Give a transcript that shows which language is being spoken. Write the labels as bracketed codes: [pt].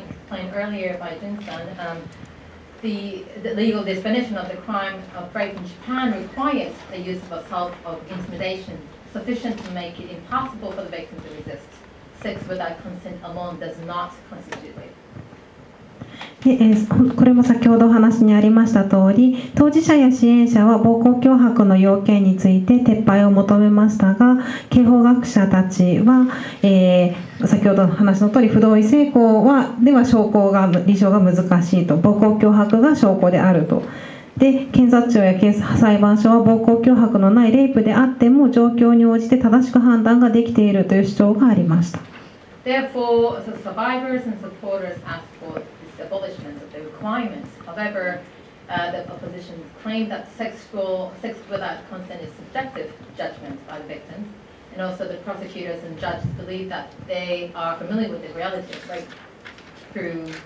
[en] Earlier by Jun-san, the legal definition of the crime of rape in Japan requires the use of assault of intimidation sufficient to make it impossible for the victim to resist. Sex without consent alone does not constitute rape. [ja] これも先ほどお話にありました通り、当事者や支援者は暴行脅迫の要件について撤廃を求めましたが、刑法学者たちは、先ほどの話の通り不同意性交はでは証拠が立証が難しいと、暴行脅迫が証拠であると。で、検察庁や裁判所は暴行脅迫のないレイプであっても状況に応じて正しく判断ができているという主張がありました。 [en] Therefore, the survivors and supporters ask forAbolishment of the requirements. However, the opposition claimed that sex without consent is subjective judgment by the victims, and also the prosecutors and judges believe that they are familiar with the reality of rape through